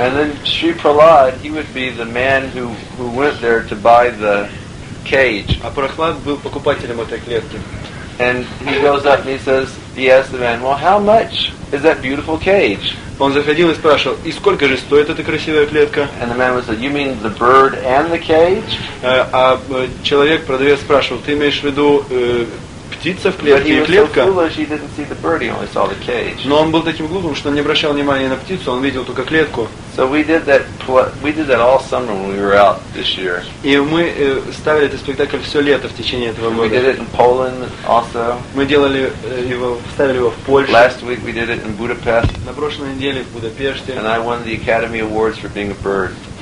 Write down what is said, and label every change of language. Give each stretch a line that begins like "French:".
English: And then Sri Prahlad, he would be the man who went there to buy the cage.
Russian: А Прохлад был покупателем этой клетки.
English: And he goes up and he says, he asks the man, well, how much is that beautiful cage?
Russian: Он заходил и спрашивал, и сколько же стоит эта красивая клетка?
English: And the man would say, you mean the bird and the cage?
Russian: А человек продавец спрашивал, ты имеешь в виду птица в клетке и клетка?
English: But he was so foolish, he didn't see the bird, he only saw the cage.
Russian: Но он был таким глупым, что не обращал внимания на птицу, он видел только клетку.
English: So we did that all summer when we were out this year.
Russian: И мы ставили этот спектакль все лето в течение этого года.
English: We did it in Poland also.
Russian: Мы делали его, ставили его в Польше.
English: Last week we did it in Budapest.
Russian: На прошлой неделе в Будапеште.
English: And I won the Academy Awards for being a bird.